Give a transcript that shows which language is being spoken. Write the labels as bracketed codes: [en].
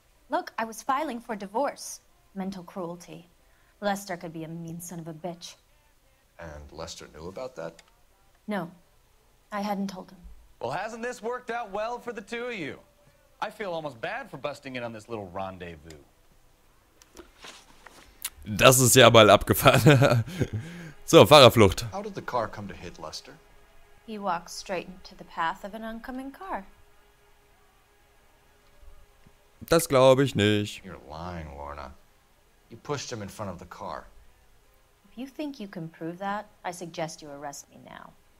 [en] Look, I was filing for divorce. Mental cruelty. Lester could be a mean son of a bitch. And Lester knew about that? No. I hadn't told him. Well, hasn't this worked out well for the two of you? I feel almost bad for busting in on this little rendezvous. [de] Das ist ja mal abgefahren. So, Fahrerflucht. [en] How did the car come to hit Lester? He walked straight into the path of an oncoming car. [de] Das glaube ich nicht. [en] You're lying, Lorna. You pushed him in front of the car. If you think you can prove that, I suggest you arrest me now.